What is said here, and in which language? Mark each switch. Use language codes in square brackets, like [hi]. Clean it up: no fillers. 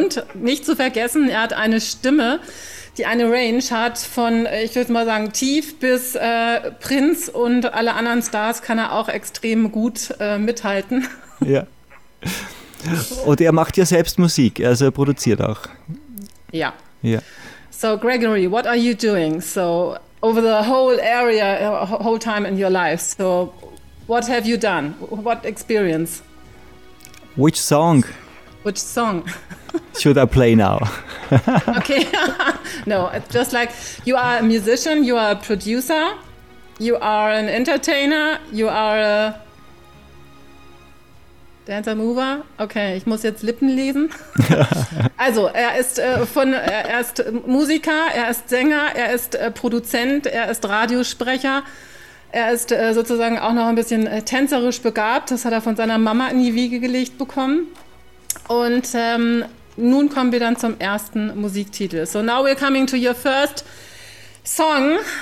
[de] Und nicht zu vergessen, er hat eine Stimme, die eine Range hat von, ich würde mal sagen, tief bis Prinz und alle anderen Stars kann er auch extrem gut mithalten. Ja. Und er macht ja selbst Musik, also er produziert auch. Ja. Ja. [en] So, Gregory, what are you doing? So, over the whole area, whole time in your life, so what have you done? What experience? Which song? Should I play now? Okay. No, it's just like you are a musician, you are a producer, you are an entertainer, you are a dancer mover. [de] Okay, ich muss jetzt Lippen lesen. Also, er ist Musiker, er ist Sänger, er ist Produzent, er ist Radiosprecher. Er ist sozusagen auch noch ein bisschen tänzerisch begabt, das hat er von seiner Mama in die Wiege gelegt bekommen. Und nun kommen wir dann zum ersten Musiktitel. [en] So now we're coming to your first song.